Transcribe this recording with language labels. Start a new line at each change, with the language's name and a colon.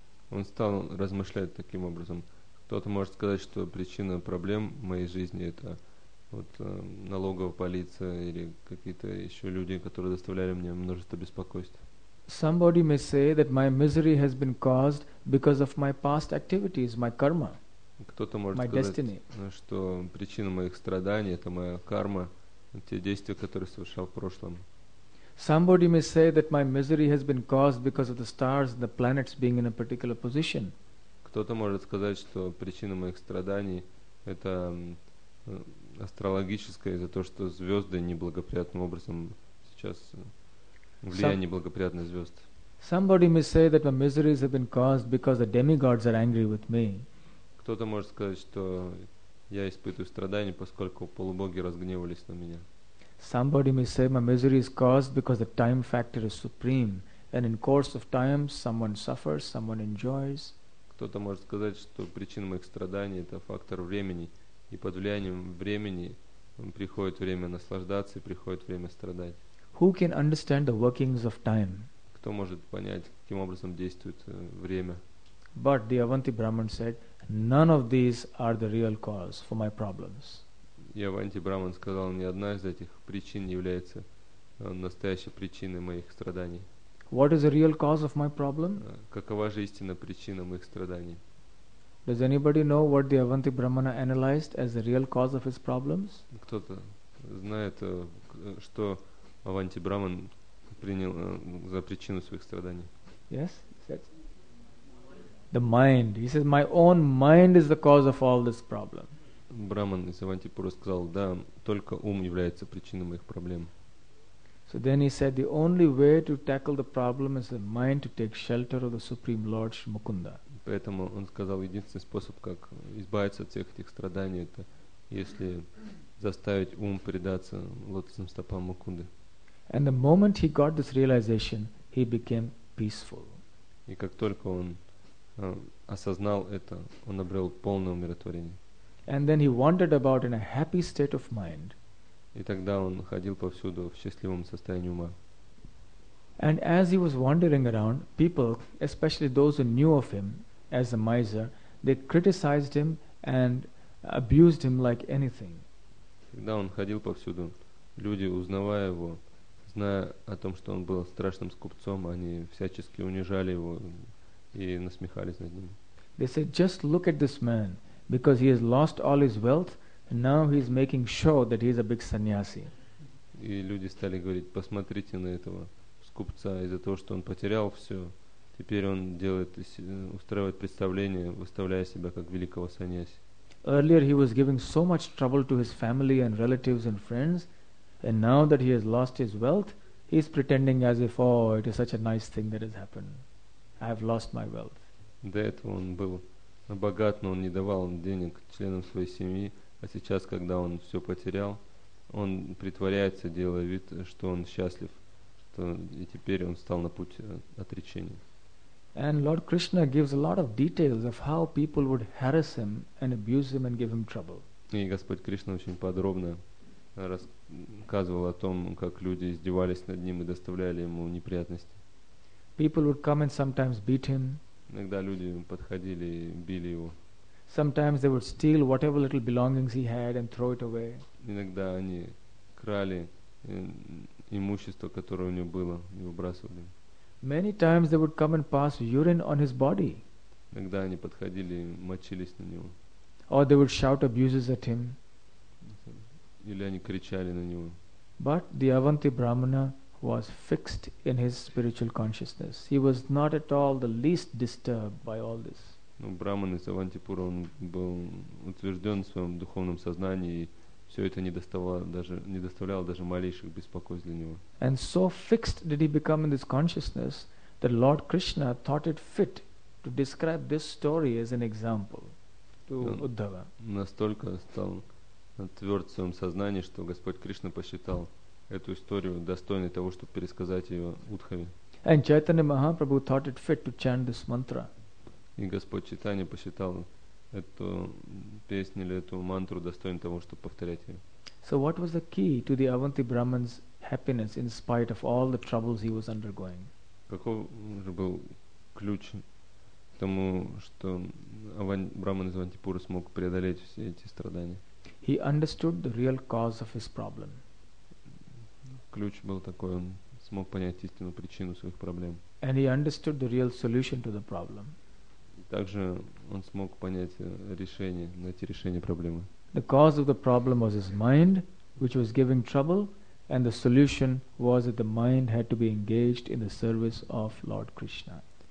Russian: Он стал размышлять таким образом. Кто-то может сказать, что причина проблем в моей жизни это налоговая полиция или какие-то еще люди, которые доставляли мне множество беспокойств.
English: Somebody may say that my misery has been caused because of my past activities, my karma, my destiny.
Russian: Что причина моих страданий это моя карма, те действия, которые совершал в прошлом.
English: Somebody may say that my misery has been caused because of the stars and the planets being in a particular position.
Russian: Кто-то может сказать, что причина моих страданий это астрологическая из-за того, что звезды неблагоприятным образом сейчас. Влияние благоприятных звезд.
English: Somebody may say that my miseries have been caused because the demigods are angry with me.
Russian: Кто-то может сказать, что я испытываю страдания, поскольку полубоги разгневались на меня.
English: Somebody may say my misery is caused because the time factor is supreme, and in course of time someone suffers, someone enjoys.
Russian: Кто-то может сказать, что причина моих страданий это фактор времени, и под влиянием времени приходит время наслаждаться и приходит время страдать.
English: Who can understand the workings of time?
Russian: Кто может понять, каким образом действует время?
English: But the Avanti Brahman said, none of these are the real cause for my problems.
Russian: И Аванти Браман сказал, ни одна из этих причин не является настоящей причиной моих страданий.
English: What is the real cause of my problem?
Russian: Какова же истинная причина моих страданий?
English: Does anybody know what the Avanti Brahmana analyzed as the real cause of his problems?
Russian: Кто-то знает, что Аванти Браман принял за причину своих страданий?
English: Yes, said. The mind. He says, my own mind is the cause of all this problem.
Russian: Браман из Авантипуры сказал, да, только ум является причиной моих проблем.
English: So then he said, the only way to tackle the problem is the mind to take shelter of the Supreme Lord Shri Mukunda.
Russian: Поэтому он сказал, единственный способ, как избавиться от всех этих страданий, это если заставить ум предаться лотосным стопам Мукунды.
English: And the moment he got this realization, he became peaceful.
Russian: И как только он осознал это, он обрел полное умиротворение.
English: And then he wandered about in a happy state of mind.
Russian: И тогда он ходил повсюду в счастливом состоянии ума.
English: And as he was wandering around, people, especially those who knew of him as a miser, they criticized him and abused him like anything.
Russian: Когда он ходил повсюду, люди, узнавая его, зная о том, что он был страшным скупцом, они всячески унижали его и насмехались над ним.
English: They said, just look at this man, because he has lost all his wealth, and now he is making sure that he is a big sannyasi.
Russian: И люди стали говорить, посмотрите на этого скупца, из-за того, что он потерял все, теперь он делает, устраивает представление, выставляя себя как великого саньяси.
English: Earlier he was giving so much trouble to his family and relatives and friends, and now that he has lost his wealth, he is pretending as if, oh, it is such a nice thing that has happened. I have lost my wealth.
Russian: До этого он был богат, но он не давал денег членам своей семьи, а сейчас, когда он все потерял, он притворяется, делая вид, что он счастлив, что и теперь он стал на путь отречения.
English: And Lord Krishna gives a lot of details of how people would harass him and abuse him and give him trouble.
Russian: И Господь Кришна очень подробно рассказывал о том, как люди издевались над ним и доставляли ему неприятности.
English: People would come and sometimes beat him.
Russian: Иногда люди подходили и били его.
English: Sometimes they would steal whatever little belongings he had and throw it away.
Russian: Иногда они крали имущество, которое у него было, и выбрасывали.
English: Many times they would come and pass urine on his body.
Russian: Иногда они подходили, мочились на него.
English: Or they would shout abuses at him.
Russian: Или они кричали на него.
English: But the Avanti Brahmana was fixed in his spiritual consciousness. He was not at all the least disturbed by all this.
Russian: Но Браман из Авантипуры, он был утвержден в своем духовном сознании, и все это не доставляло даже малейших беспокойств для него.
English: And so fixed did he become in this consciousness that Lord Krishna thought it fit to describe this story as an example to Uddhava.
Russian: Настолько стал тверд в своем сознании, что Господь Кришна посчитал эту историю достойной того, чтобы пересказать ее Удхаве.
English: And Chaitanya Mahaprabhu thought it fit to chant this mantra.
Russian: И Господь Чайтанья посчитал эту песню или эту мантру достойной того, чтобы повторять ее.
English: So what was the key to the Avanti Brahman's happiness in spite of all the troubles he was undergoing?
Russian: Каков же был ключ к тому, что Браман из Авантипуры смог преодолеть все эти страдания?
English: He understood the real cause of his problem.
Russian: Ключ был такой, он смог понять истинную причину своих проблем.
English: And he understood the real solution to the problem.
Russian: Также он смог понять решение, найти решение проблемы.
English: The cause of the problem was his mind, which was giving trouble, and the solution was that the mind had to be engaged in the service of Lord Krishna.